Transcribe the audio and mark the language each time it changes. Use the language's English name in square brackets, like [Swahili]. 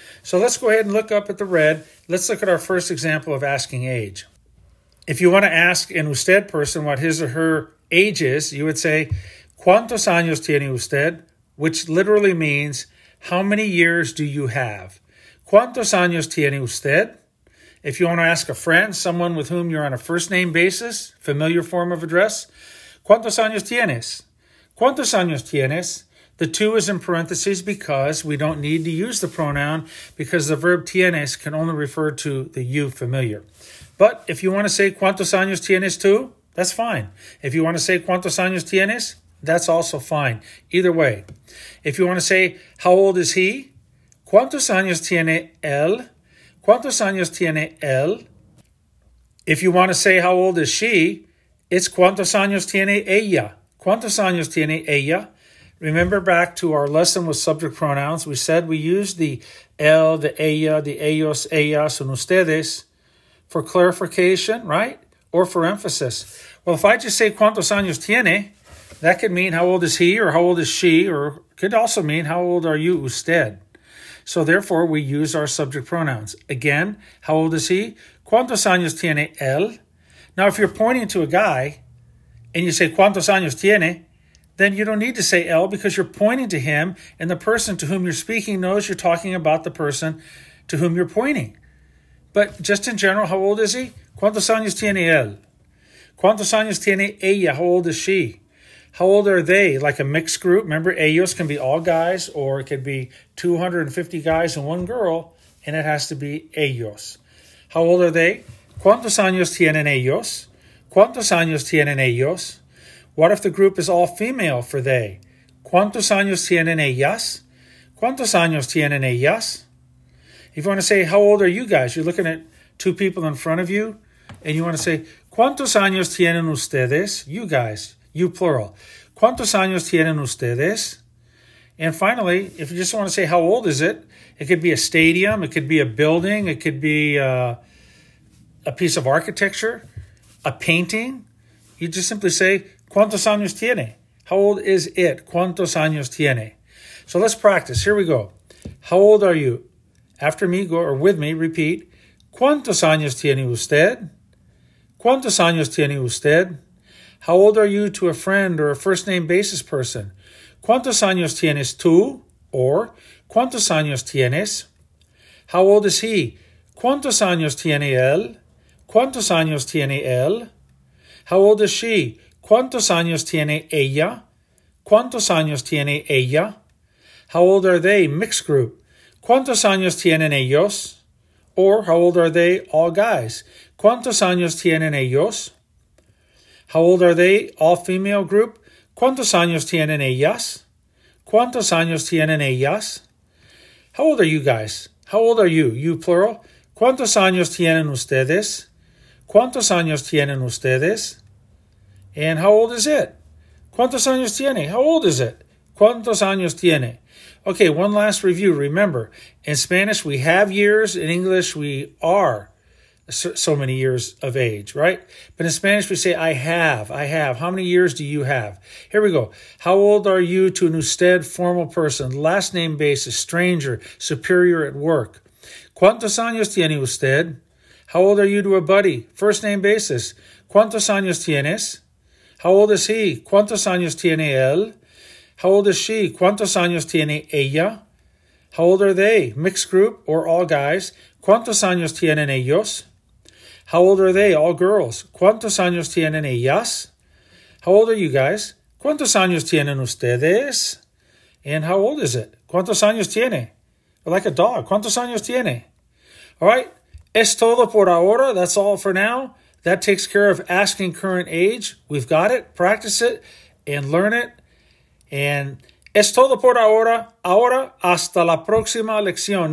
[English] So let's go ahead and look up at the red. Let's look at our first example of asking age. If you want to ask an usted person what his or her age is, you would say, [Spanish] ¿Cuántos años tiene usted? [English] Which literally means, how many years do you have? [Spanish] ¿Cuántos años tiene usted? [English] If you want to ask a friend, someone with whom you're on a first name basis, familiar form of address, [Spanish] ¿Cuántos años tienes? ¿Cuántos años tienes? [English] The two is in parentheses because we don't need to use the pronoun because the verb tienes can only refer to the you familiar. But if you want to say [Spanish] ¿Cuántos años tienes tú? [English] That's fine. If you want to say [Spanish] ¿Cuántos años tienes? [English] That's also fine. Either way. If you want to say ¿How old is he? [Spanish] ¿Cuántos años tiene él? ¿Cuántos años tiene él? [English] If you want to say how old is she, it's [Spanish] ¿Cuántos años tiene ella? ¿Cuántos años tiene ella? [English] Remember back to our lesson with subject pronouns. We said we use the él, the ella, the ellos, ellas, and ustedes for clarification, right? Or for emphasis. Well, if I just say [Spanish] ¿Cuántos años tiene? [English] That could mean how old is he or how old is she, or could also mean how old are you, usted? So therefore, we use our subject pronouns. Again, how old is he? [Spanish] ¿Cuántos años tiene él? [English] Now, if you're pointing to a guy and you say [Spanish] ¿Cuántos años tiene? [English] Then you don't need to say él because you're pointing to him and the person to whom you're speaking knows you're talking about the person to whom you're pointing. But just in general, how old is he? [Spanish] ¿Cuántos años tiene él? ¿Cuántos años tiene ella? [English] How old is she? How old are they? Like a mixed group. Remember, ellos can be all guys or it could be 250 guys and one girl, and it has to be ellos. How old are they? [Spanish] ¿Cuántos años tienen ellos? ¿Cuántos años tienen ellos? [English] What if the group is all female for they? [Spanish] ¿Cuántos años tienen ellas? ¿Cuántos años tienen ellas? [English] If you want to say, how old are you guys? You're looking at two people in front of you and you want to say, [Spanish] ¿Cuántos años tienen ustedes? [English] You guys. You plural. [Spanish] ¿Cuántos años tienen ustedes? [English] And finally, if you just want to say how old is it, it could be a stadium, it could be a building, it could be a piece of architecture, a painting. You just simply say, [Spanish] ¿Cuántos años tiene? [English] How old is it? [Spanish] ¿Cuántos años tiene? [English] So let's practice. Here we go. How old are you? After me, go or with me, repeat. [Spanish] ¿Cuántos años tiene usted? ¿Cuántos años tiene usted? [English] How old are you to a friend or a first name basis person? [Spanish] ¿Cuántos años tienes tú? Or, ¿Cuántos años tienes? [English] How old is he? [Spanish] ¿Cuántos años tiene él? ¿Cuántos años tiene él? [English] How old is she? [Spanish] ¿Cuántos años tiene ella? ¿Cuántos años tiene ella? [English] How old are they? Mixed group. [Spanish] ¿Cuántos años tienen ellos? [English] Or, how old are they? All guys. [Spanish] ¿Cuántos años tienen ellos? [English] How old are they, all female group? [Spanish] ¿Cuántos años tienen ellas? [English] ¿Cuántos años tienen ellas? How old are you guys? How old are you? You plural. [Spanish] ¿Cuántos años tienen ustedes? ¿Cuántos años tienen ustedes? [English] And how old is it? [Spanish] ¿Cuántos años tiene? [English] How old is it? [Spanish] ¿Cuántos años tiene? [English] Okay, one last review. Remember, in Spanish we have years, in English we are. So many years of age, right? But in Spanish, we say, I have. How many years do you have? Here we go. How old are you to an usted formal person, last name basis, stranger, superior at work? [Spanish] ¿Cuántos años tiene usted? [English] How old are you to a buddy, first name basis? [Spanish] ¿Cuántos años tienes? [English] How old is he? [Spanish] ¿Cuántos años tiene él? [English] How old is she? [Spanish] ¿Cuántos años tiene ella? [English] How old are they? Mixed group or all guys? [Spanish] ¿Cuántos años tienen ellos? [English] How old are they? All girls. [Spanish] ¿Cuántos años tienen ellas? [English] How old are you guys? [Spanish] ¿Cuántos años tienen ustedes? [English] And how old is it? [Spanish] ¿Cuántos años tiene? [English] Like a dog. ¿Cuántos años tiene? All right. [Spanish] Es todo por ahora. [English] That's all for now. That takes care of asking current age. We've got it. Practice it and learn it. [Spanish] And es todo por ahora. Ahora, hasta la próxima lección.